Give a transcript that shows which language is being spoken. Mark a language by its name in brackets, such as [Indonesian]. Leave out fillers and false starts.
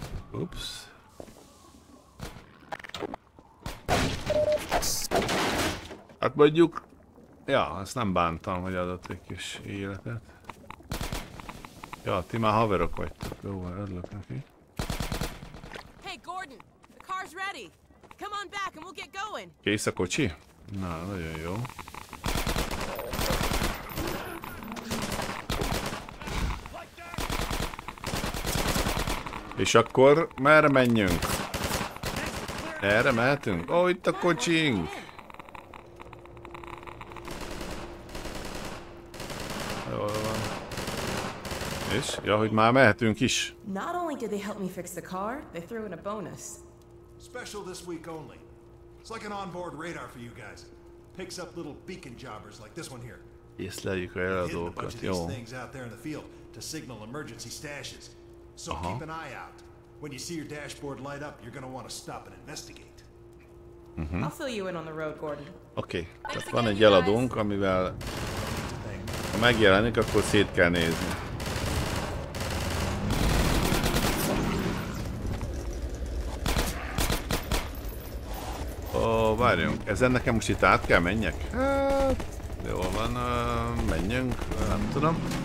[Hungarian] Ups. Hát mondjuk... Ja, azt nem bántam, hogy adott egy kis életet. Ja, ti már haverok vagytok. Jó, örülök neki. [English] Hey Gordon, the car's ready. Come on back and we'll get going. [Hungarian] Kész a kocsi? Na, nagyon jó. És akkor merre menjünk? Erre mehetünk? Ó, itt a kocsink! És? Ja, hogy már mehetünk is. [English] Not only did they help me fix the car, they threw in a bonus. Special this week only. It's like an onboard radar for you guys. Picks up little beacon jobbers like this one here. [Hungarian] Észleljük a eladókat, jó. [English] Things out there in the field to signal emergency stashes. So keep an eye out. When you see your dashboard light up, you're gonna want to stop and investigate. Mm-hmm. I'll fill you in on the road, Gordon. Okay. [Hungarian] Tehát van egy eladónk, amivel ha megjelenik, akkor szét kell nézni. Várjunk, ezen nekem most itt át kell menjek? Hát, jól van, menjünk, nem tudom.